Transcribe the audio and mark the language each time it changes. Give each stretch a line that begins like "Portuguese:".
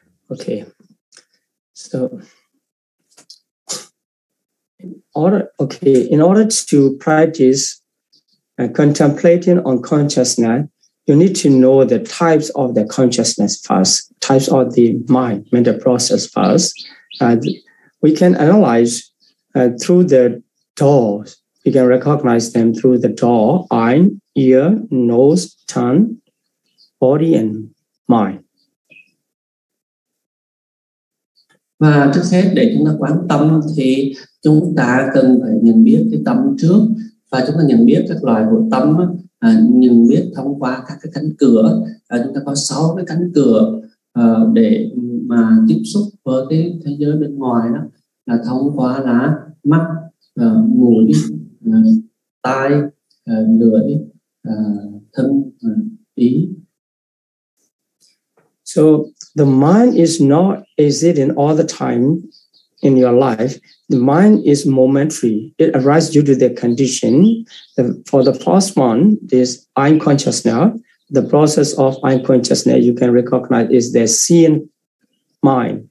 English: Okay, so in order to practice contemplating on consciousness, you need to know the types of the consciousness first, types of the mind, mental process first. And we can analyze through the doors. We can recognize them through the door, eye, ear, nose, tongue, body, and mind.
Vietnamese: Và trước hết để chúng ta quán tâm thì chúng ta cần phải nhận biết cái tâm trước, và chúng ta nhận biết các loại của tâm nhận biết thông qua các cái cánh cửa. Chúng ta có 6 cái cánh cửa để mà tiếp xúc với cái thế giới bên ngoài, đó là thông qua là mắt, mũi, tai, lưỡi, thân, ý.
English: So the mind is not existing all the time in your life. The mind is momentary. It arises due to the condition. For the first one, this eye consciousness, the process of eye consciousness, you can recognize is the seeing mind.